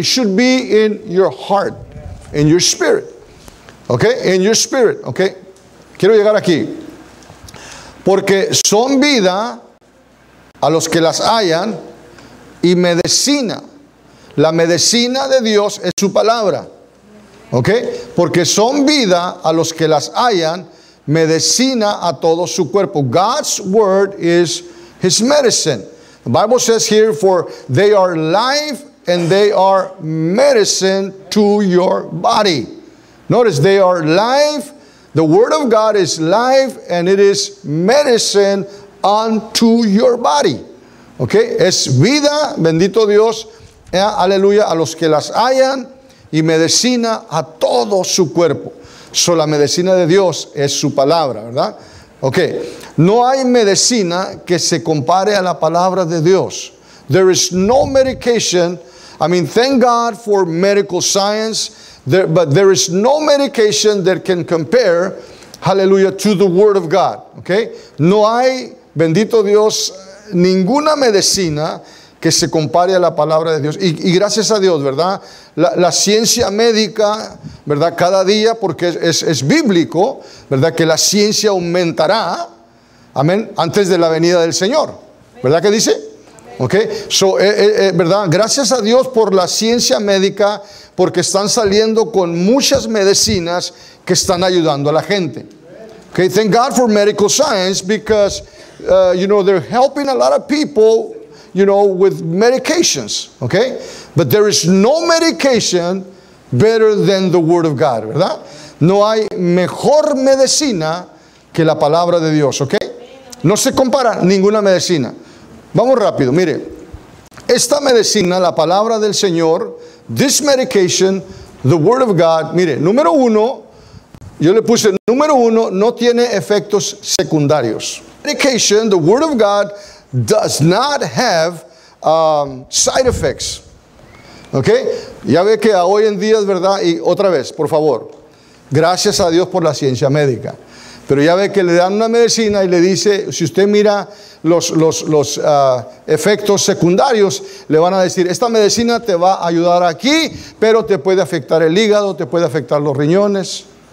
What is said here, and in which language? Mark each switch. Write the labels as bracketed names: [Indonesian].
[English] It should be in your heart, in your spirit. Okay? In your spirit, okay? [Spanish] Quiero llegar aquí. Porque son vida a los que las hallan y medicina. La medicina de Dios es su palabra. ¿Ok? Porque son vida a los que las hallan, medicina a todo su cuerpo. [English] God's word is his medicine. The Bible says here, for they are life and they are medicine to your body. Notice, they are life. The word of God is life and it is medicine unto your body. [Spanish] ¿Ok? Es vida, bendito Dios. Aleluya, a los que las hayan y medicina a todo su cuerpo. So, la medicina de Dios es su palabra, ¿verdad? Ok, no hay medicina que se compare a la palabra de Dios. [English] There is no medication. I mean, thank God for medical science, but there is no medication that can compare, hallelujah, to the word of God. [Spanish] Ok, no hay, bendito Dios, ninguna medicina que se compare a la palabra de Dios. Y gracias a Dios, ¿verdad? La ciencia médica, ¿verdad? Cada día, porque es bíblico, ¿verdad? Que la ciencia aumentará, amén, antes de la venida del Señor. ¿Verdad que dice? Ok. So, ¿verdad? Gracias a Dios por la ciencia médica, porque están saliendo con muchas medicinas que están ayudando a la gente. Ok. [English] Thank God for medical science, because, you know, they're helping a lot of people, you know, with medications, okay? But there is no medication better than the word of God, ¿verdad? [Spanish] No hay mejor medicina que la palabra de Dios, okay? No se compara ninguna medicina. Vamos rápido, mire. Esta medicina, la palabra del Señor, [English] this medication, the word of God, [Spanish] mire, número uno, yo le puse, número uno, no tiene efectos secundarios. [English] Medication, the word of God, does not have side effects. [Spanish] Ok. Ya ve que hoy en día, ¿verdad? Y otra vez, por favor, gracias a Dios por la ciencia médica. Pero ya ve que le dan una medicina y le dice, si usted mira los efectos secundarios, le van a decir, esta medicina te va a ayudar aquí, pero te puede afectar el hígado, te puede afectar los riñones.